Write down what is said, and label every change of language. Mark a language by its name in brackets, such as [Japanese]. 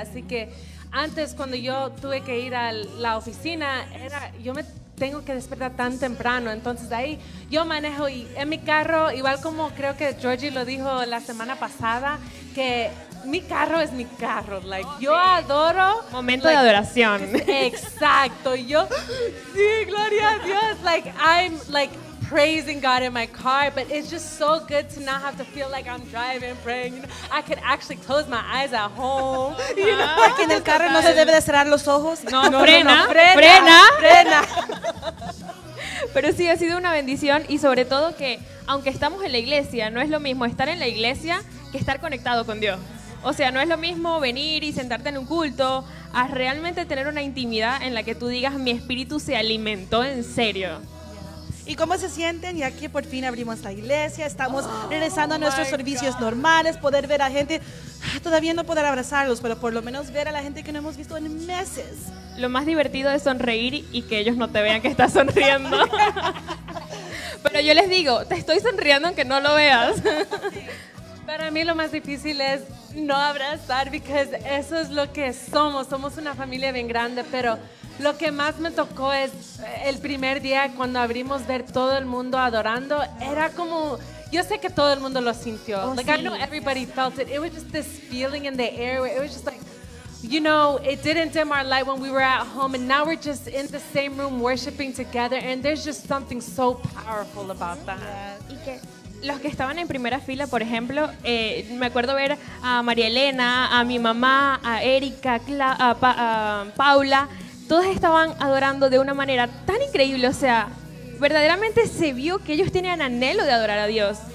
[Spanish] Así que antes, cuando yo tuve que ir a la oficina, tengo que despertar tan temprano, entonces de ahí yo manejo y en mi carro, igual como creo que Georgie lo dijo la semana pasada, que mi carro es mi carro, like, yo adoro. Momento de adoración. Exacto, yo, sí, gloria a Dios, [English] like, I'm like praising God in my car, but it's just so good to not have to feel like I'm driving, praying, you know, I could actually close my eyes at home, you know. [Spanish] Aquí en el carro no se debe de cerrar los ojos. No, frena. Pero sí, ha sido una bendición, y sobre todo que, aunque estamos en la iglesia, no es lo mismo estar en la iglesia que estar conectado con Dios. O sea, no es lo mismo venir y sentarte en un culto a realmente tener una intimidad en la que tú digas, mi espíritu se alimentó en serio. ¿Y cómo se sienten? Y aquí por fin abrimos la iglesia, estamos regresando a nuestros servicios normales, poder ver a gente, todavía no poder abrazarlos, pero por lo menos ver a la gente que no hemos visto en meses. Lo más divertido es sonreír y que ellos no te vean que estás sonriendo. Pero yo les digo, te estoy sonriendo aunque no lo veas. Para mí lo más difícil es no abrazar, porque eso es lo que somos, una familia bien grande, pero... Lo que más me tocó es el primer día cuando abrimos, ver todo el mundo adorando. Era como, yo sé que todo el mundo lo sintió. Oh, like, sí. [English] I know everybody felt it. It was just this feeling in the air. It was just like, you know, it didn't dim our light when we were at home. And now we're just in the same room worshiping together. And there's just something so powerful about that. [Spanish] Y que los que estaban en primera fila, por ejemplo, me acuerdo ver a María Elena, a mi mamá, a Erika, a Paula... Todos estaban adorando de una manera tan increíble, o sea, verdaderamente se vio que ellos tenían anhelo de adorar a Dios.